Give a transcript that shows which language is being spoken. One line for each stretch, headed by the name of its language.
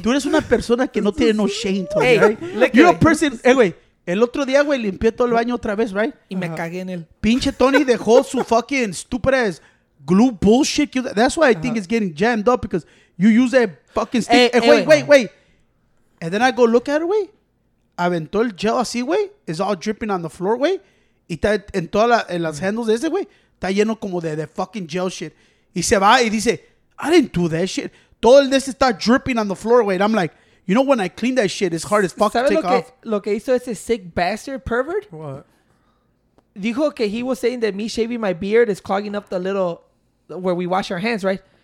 English: Tú eres una persona que no tiene no shame, Tony, hey, right? Like, you're a person, anyway.
Spanish: El otro día, güey, limpié todo el baño otra vez, right? Y me cagué en él.
English: Pinche Tony dejó su fucking stupid ass glue bullshit. That's why I think it's getting jammed up because you use that fucking stick. Hey, wait. And then I go look at it, güey. Aventó el gel así, güey. It's all dripping on the floor, güey.
Spanish: Y está en todas las handles de ese, güey. Está lleno como de fucking gel shit.
English: Y se va y dice, I didn't do that shit. Todo el de ese está dripping on the floor, güey. And I'm like, you know when I clean that shit, it's hard as fuck to take
Spanish: lo que,
English: off.
Spanish: Lo que hizo ese sick bastard pervert?
English: What? Dijo que he was saying that me shaving my beard is clogging up the little where we wash our hands, right?